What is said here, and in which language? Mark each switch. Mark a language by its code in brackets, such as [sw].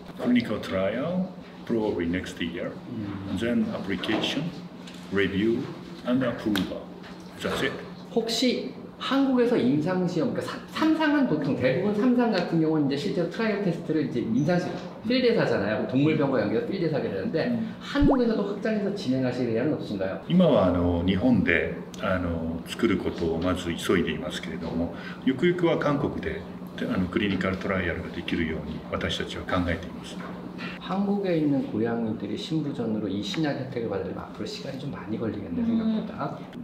[en] Clinical trial probably next year. Then application, review and approval. That's it. [ko] 혹시 한국에서 임상 시험, 그러니까 삼상은 보통 대부분 삼상 같은 경우는 이제 실제로 트라이얼 테스트를 이제 임상 시험 필드에서 하잖아요. 동물병과 연계해서 필드에서 하게 되는데 한국에서도 확장해서 진행하실 예약은 없으신가요? [ja] 今は日本で作ることをまず急いでいますけれども、ゆくゆくは韓国でクリニカルトライアルができるように私たちは考えています。 [ko] 한국에 있는 고양이들이 신부전으로 이 신약 혜택을 받으려면 앞으로 시간이 좀 많이 걸리겠네요, 생각보다.